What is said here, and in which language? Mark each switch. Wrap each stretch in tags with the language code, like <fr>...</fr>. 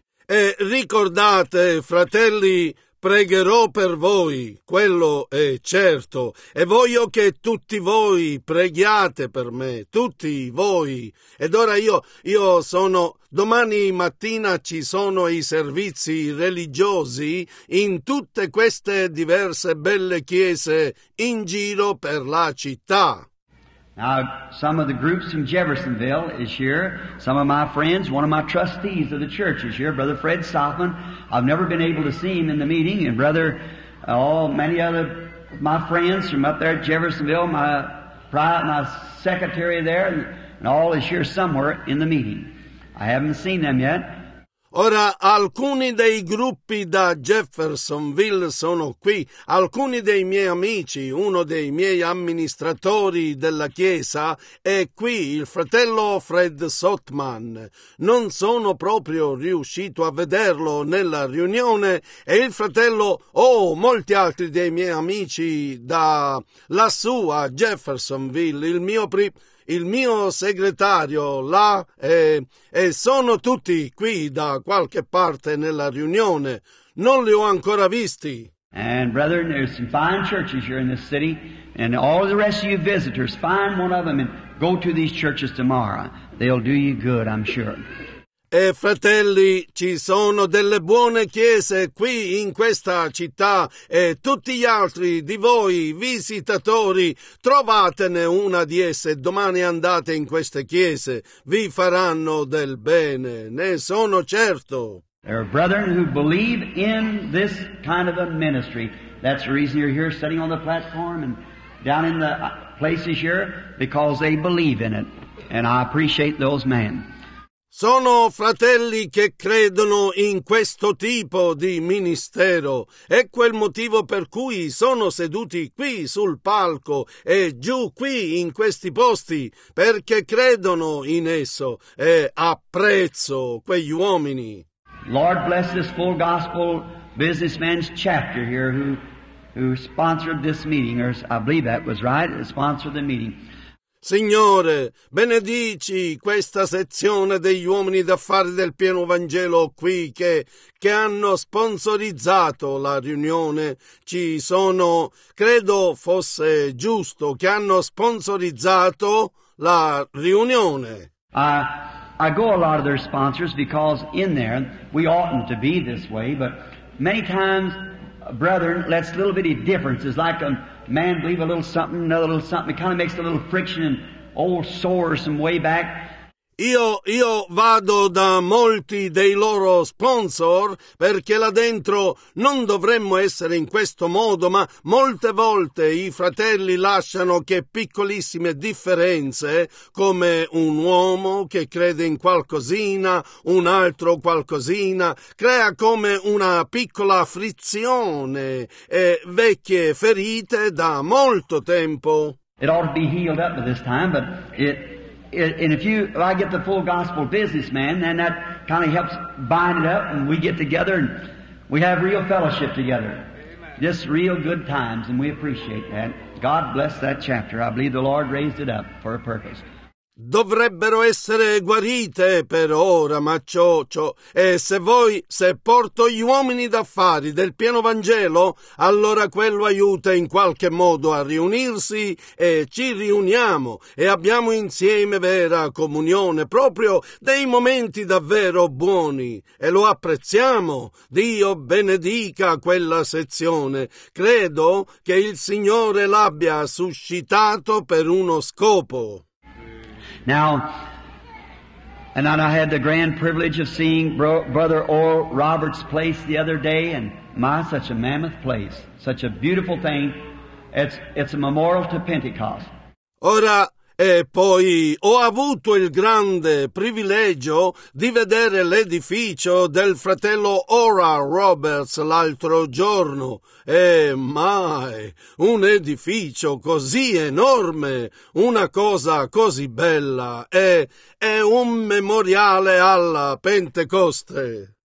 <it>E ricordate, fratelli, pregherò per voi, quello è certo, e voglio che tutti voi preghiate per me, tutti voi. Ed ora io sono, domani mattina ci sono i servizi religiosi in tutte queste diverse belle chiese in giro per la città.</it> <en>Now, some of the groups from Jeffersonville is here. Some of my friends, one of my trustees of the church is here, Brother Fred Stoffman. I've never been able to see him in the meeting. And Brother, many other my friends from up there at Jeffersonville, my secretary there, and all is here somewhere in the meeting. I haven't seen them yet.</en> <it>Ora, alcuni dei gruppi da Jeffersonville sono qui, alcuni dei miei amici, uno dei miei amministratori della chiesa è qui, il fratello Fred Sotman. Non sono proprio riuscito a vederlo nella riunione e il fratello, molti altri dei miei amici da lassù a Jeffersonville, il mio segretario là, e sono tutti qui da qualche parte nella riunione. Non li ho ancora visti.</it> <en>And brethren, there's some fine churches here in this city, and all the rest of you visitors, find one of them and go to these churches tomorrow. They'll do you good, I'm sure.</en> <it>E fratelli, ci sono delle buone chiese qui in questa città e tutti gli altri di voi visitatori, trovatene una di esse, domani andate in queste chiese, vi faranno del bene, ne sono certo.</it> <en>There are brethren who believe in this kind of a ministry. That's the reason you're here sitting on the platform and down in the places here, because they believe in it. And I appreciate those men.</en> <it>Sono fratelli che credono in questo tipo di ministero. È quel motivo per cui sono seduti qui sul palco e giù qui in questi posti, perché credono in esso e apprezzo quegli uomini.</it> <en>Lord bless this full gospel businessman's chapter here who sponsored this meeting, or I believe that was right, sponsored the meeting.</en> <it>Signore, benedici questa sezione degli uomini d'affari del pieno Vangelo qui che hanno sponsorizzato la riunione. Ci sono, credo fosse giusto, che hanno sponsorizzato la riunione.</it> <en>I go a lot of their sponsors because in there we oughtn't to be this way, but many times, brethren, lets little bitty differences like a man believe a little something, another little something. It kind of makes a little friction and old sores from way back.</en> <it>Io vado da molti dei loro sponsor perché là dentro non dovremmo essere in questo modo, ma molte volte i fratelli lasciano che piccolissime differenze, come un uomo che crede in qualcosina, un altro qualcosina, crea come una piccola frizione e vecchie ferite da molto tempo.</it> <en>It ought to be healed up by this time, but if I get the full gospel businessman, then that kind of helps bind it up, and we get together and we have real fellowship together. Amen. Just real good times, and we appreciate that. God bless that chapter. I believe the Lord raised it up for a purpose.</en> <it>Dovrebbero essere guarite per ora, ma ciò. E se porto gli uomini d'affari del pieno Vangelo, allora quello aiuta in qualche modo a riunirsi e ci riuniamo e abbiamo insieme vera comunione, proprio dei momenti davvero buoni. E lo apprezziamo. Dio benedica quella sezione. Credo che il Signore l'abbia suscitato per uno scopo.</it> <en>Now, and then I had the grand privilege of seeing Brother Oral Roberts' place the other day, and my, such a mammoth place, such a beautiful thing. It's a memorial to Pentecost.</en> <it>Ora, e poi ho avuto il grande privilegio di vedere l'edificio del fratello Oral Roberts l'altro giorno. E mai un edificio così enorme, una cosa così bella, è un memoriale alla Pentecoste.</it>